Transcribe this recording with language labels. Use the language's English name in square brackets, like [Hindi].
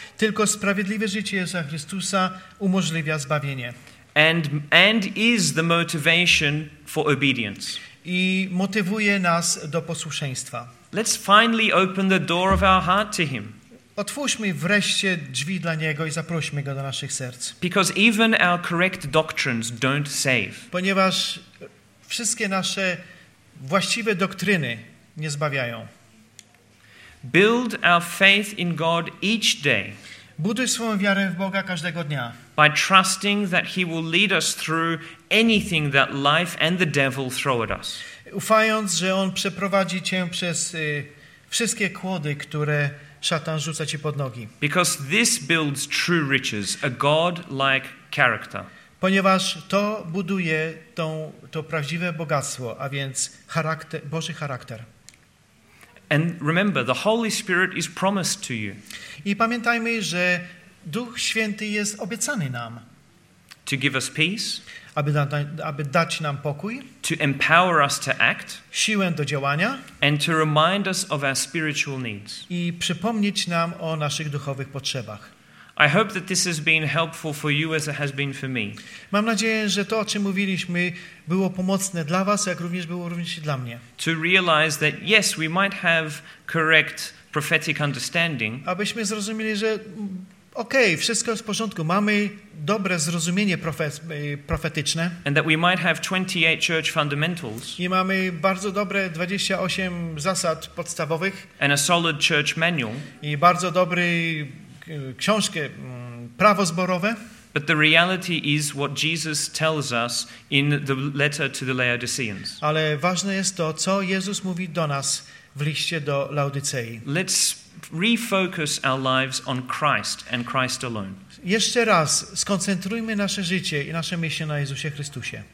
[Polish] Tylko sprawiedliwe życie Jezusa Chrystusa umożliwia zbawienie. [English] And is the motivation for obedience. [Polish] I motywuje nas do posłuszeństwa. [English] Let's finally open the door of our heart to him. [Polish] Otwórzmy wreszcie drzwi dla niego i zaprośmy go do naszych serc. [English] Because even our correct doctrines don't save. [Polish] Ponieważ wszystkie nasze właściwe doktryny nie zbawiają. [English] Build our faith in God each day. [Polish] Buduj swoją wiarę w Boga każdego dnia. [English] By trusting that he will lead us through anything that life and the devil throw at us. [Polish] Ufając, że on przeprowadzi cię przez wszystkie kłody, które szatan rzuca ci pod nogi. [English] Because this builds true riches, a God-like character. [Polish] Ponieważ to buduje to prawdziwe bogactwo, a więc charakter, Boży charakter. [English] And remember, the Holy Spirit is promised to you. [Polish] I pamiętajmy, że Duch Święty jest obiecany nam. [English] To give us peace. [Polish] Aby dać nam pokój. [English] To empower us to act. [Polish] Siłę do działania. [English] And to remind us of our spiritual needs. [Polish] I przypomnieć nam o naszych duchowych potrzebach. [English] I hope that this has been helpful for you as it has been for me. [Polish] Mam nadzieję, że to, o czym mówiliśmy, było pomocne dla was, jak również było również dla mnie. [English] To realize that yes, we might have correct prophetic understanding. [Polish] Abyśmy zrozumieli, że okej, wszystko jest w porządku, mamy dobre zrozumienie profetyczne. [English] And that we might have 28 church fundamentals. [Polish] I mamy bardzo dobre 28 zasad podstawowych. [English] And a solid church manual. [Polish] I bardzo dobry książkę prawo zborowe. [English] But the reality is what Jesus tells us in the letter to the Laodiceans. [Polish] Ale ważne jest to, co Jezus mówi do nas w liście do Laodycei. [English] Let's refocus our lives on Christ and Christ alone. [Polish] Jeszcze raz skoncentrujmy nasze życie i nasze myśli na Jezusie Chrystusie.